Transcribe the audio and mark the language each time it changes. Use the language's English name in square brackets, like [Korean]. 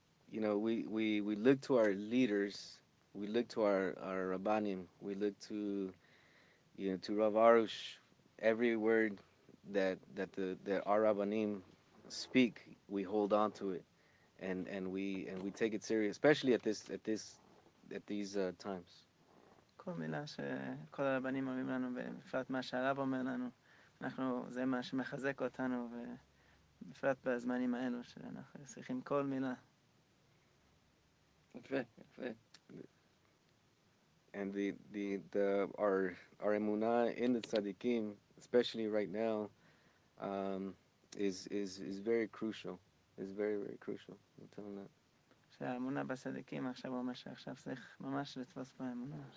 [English] You know, we look to our leaders, we look to our Rabbanim, we look to, you know, to Rav Arush. Every word that our Rabbanim speak, we hold on to it, and we take it serious, especially at these times. [Hebrew] כל מילה שכל הרבנים אומרים לנו, בפרט מה שהרב אומר לנו, אנחנו זה מה שמחזק אותנו, ובפרט בזמנים האלו שאנחנו צריכים כל מילה. [English] And our emunah in the tzaddikim, especially right now, is very crucial. is very, very crucial. I'll tell him that. [Hebrew] האמונה בצדיקים עכשיו הוא אומר שעכשיו צריך ממש לתפוס פה אמונה.